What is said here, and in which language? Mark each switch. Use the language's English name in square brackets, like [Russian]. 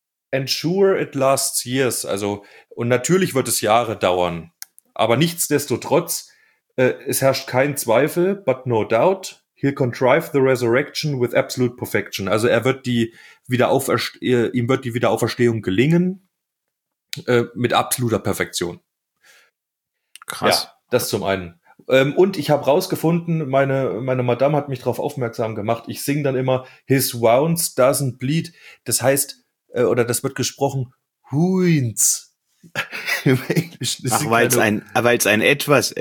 [English] And sure it lasts years, [German] also und natürlich wird es Jahre dauern, aber nichtsdestotrotz, es herrscht kein Zweifel, [English] but no doubt, he'll contrive the resurrection with absolute perfection. [German] Also er wird die ihm wird die Wiederauferstehung gelingen mit absoluter Perfektion. Krass. Ja, das zum einen. Und ich habe rausgefunden, meine Madame hat mich darauf aufmerksam gemacht. Ich singe dann immer [English] his wounds doesn't bleed. [German] Das heißt oder das wird gesprochen wounds. Im Englischen ist weil es ein etwas.